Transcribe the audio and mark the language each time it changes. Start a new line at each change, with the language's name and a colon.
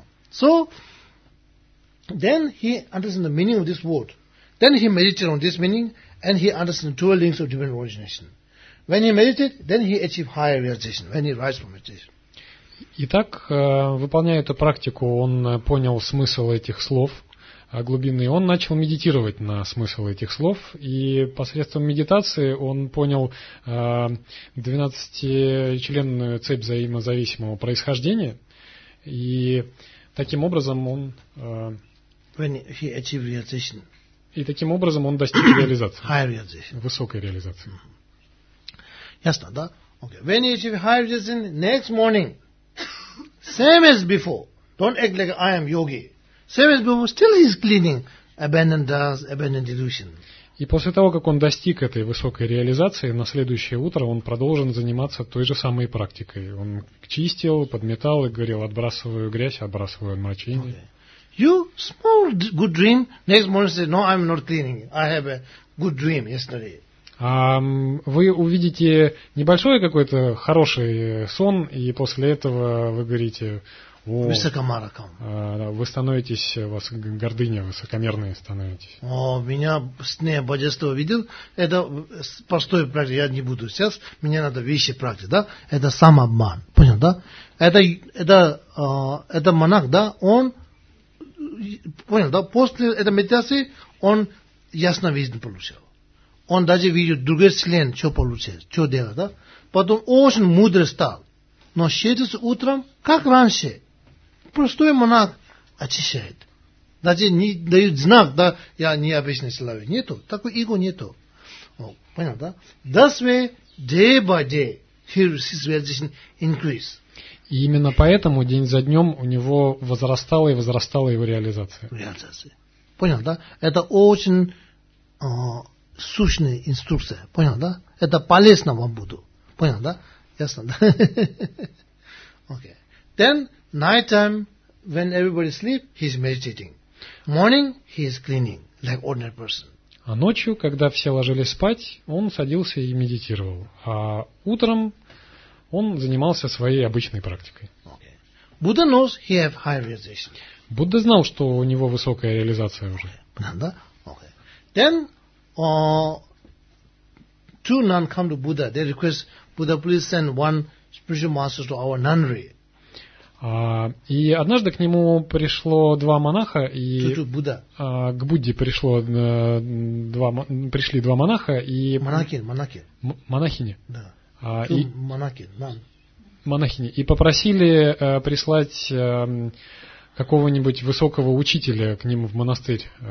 English: So, then he understands the meaning of this word. Then he meditates on this meaning, and he understands the two links of divine origination. When he meditates, then he achieves higher realization, when he rises from meditation.
Russian: Итак, выполняя эту практику, он понял смысл этих слов глубинный. Он начал медитировать на смысл этих слов, и посредством медитации он понял 12-членную цепь взаимозависимого происхождения, и таким образом он достиг реализации.
English: High realization.
Russian: Высокой реализации. Ясно, да? Okay.
English: When you achieve high realization, next morning, same as before, don't act like I am yogi. Same as before, still he's cleaning abandoned dust, abandoned delusion.
Russian: И после того, как он достиг этой высокой реализации, на следующее утро он продолжил заниматься той же самой практикой. Он чистил, подметал и говорил, отбрасываю грязь, отбрасываю мочение.
English: Okay. You small good dream, next morning say, no, I'm not cleaning, I have a good dream yesterday.
Russian: Вы увидите небольшой какой-то хороший сон, и после этого вы говорите, о, высокомерком. Вы становитесь, у вас гордыня высокомерная становитесь. О, меня сны божества видел. Это простой практик, я не буду сейчас. Мне надо вещи практик, да? Это самообман. Понял, да? Это монах, да? Он, понял, да? После этой медитации он ясно видение получил. Он даже видит другой член, что получает, что делает, да? Потом очень мудрый стал. Но сейчас утром, как раньше, простой монах очищает. Даже не дают знак, да, я не обычный человек. Нету, такой иго нету. О, понял, да?
English: That's why day by day his realization increase.
Russian: И именно поэтому день за днем у него возрастала и возрастала его реализация. Реализация. Понял, да? Это очень сущная инструкция. Понял, да? Это полезно вам буду. Понял, да? Ясно, да?
English: Okay. Then, night time, when everybody sleep, he's meditating. Morning, he's cleaning, like ordinary person.
Russian: А ночью, когда все ложились спать, он садился и медитировал. А утром он занимался своей обычной практикой.
English: Okay. Buddha knows he have high realization.
Russian: Будда знал, что у него высокая реализация уже.
English: Да? Okay. Then, two nun come to Buddha. They request, Buddha, please send one spiritual master to our nunnery.
Russian: И однажды к нему пришло два монаха, и к Будде пришли два монаха, и монахини, и попросили прислать какого-нибудь высокого учителя к ним в монастырь.